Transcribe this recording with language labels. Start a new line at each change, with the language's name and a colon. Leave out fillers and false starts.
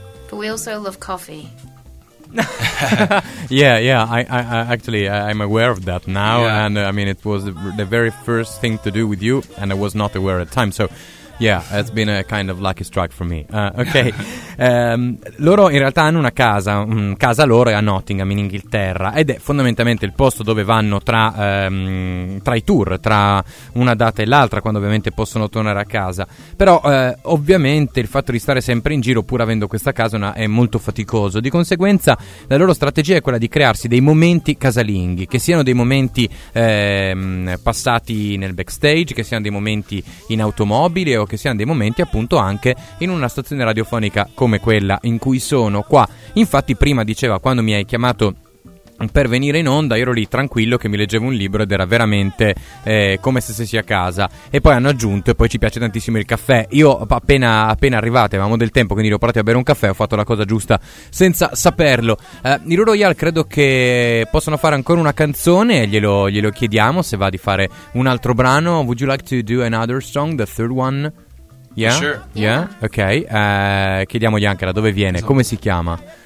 English: But we also love coffee. yeah, I'm aware of that now. Yeah. And I mean, it was the very first thing to do with you, and I was not aware at the time, so... Yeah, it's been a kind of lucky strike for me. Okay.
Italian: Loro in realtà hanno una casa, casa loro è a Nottingham in Inghilterra, ed è fondamentalmente il posto dove vanno tra i tour, tra una data e l'altra, quando ovviamente possono tornare a casa. Però ovviamente il fatto di stare sempre in giro, pur avendo questa casa, è molto faticoso. Di conseguenza la loro strategia è quella di crearsi dei momenti casalinghi, che siano dei momenti passati nel backstage, che siano dei momenti in automobile, o che siano dei momenti appunto anche in una stazione radiofonica come quella in cui sono qua. Infatti prima diceva, quando mi hai chiamato per venire in onda, ero lì tranquillo che mi leggevo un libro ed era veramente come se stessi a casa. E poi hanno aggiunto: e poi ci piace tantissimo il caffè. Io appena arrivate, avevamo del tempo, quindi li ho portati a bere un caffè, ho fatto la cosa giusta senza saperlo. I Blue Royale credo che possano fare ancora una canzone, e glielo chiediamo se va di fare un altro brano.
English: Would you like to do another song, the third one? Yeah? Sure. Yeah?
Italian: Ok, chiediamogli anche da dove viene, come si chiama.